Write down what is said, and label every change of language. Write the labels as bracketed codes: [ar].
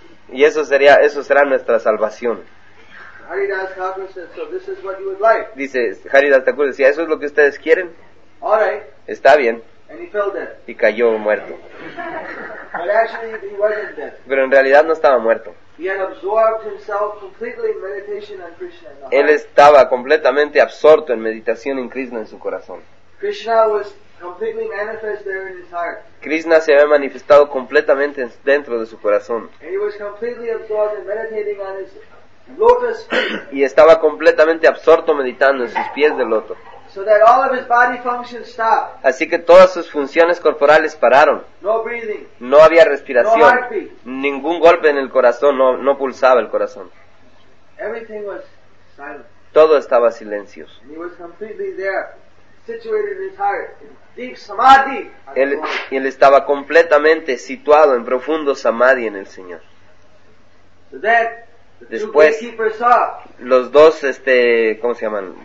[es] Y eso será nuestra salvación. [en] Haridas Thakur said, so this is what you would like. [es] Dice, Haridas Thakur decía, ¿eso es lo que ustedes quieren? [en] All right. [es] Está bien. [en] And he fell dead. [es] Y cayó muerto. [en] But actually, he wasn't dead. [es] Pero en realidad no estaba muerto. [en] He had absorbed himself completely in meditation on Krishna. [es] Él estaba completamente absorto en meditación en Krishna en su corazón. [en] Krishna was completely manifest there in his heart. [es] Krishna se había manifestado completamente dentro de su corazón. [en] And he was completely absorbed in meditating on his lotus feet. [es] Y estaba completamente absorto meditando en sus pies de loto. [en] So that all of his body functions stopped. [es] Así que todas sus funciones corporales pararon. [en] No breathing. [es] No había respiración. [en] No heartbeat. [es] Ningún golpe en el corazón, no pulsaba el corazón. [en] Everything was silent. [es] Todo estaba silencio. [en] He was completely there, situated in his heart, in deep samadhi. [es] Él estaba completamente situado en profundo samadhi en el Señor. [en] So that [es] después, los dos, ¿cómo se llaman?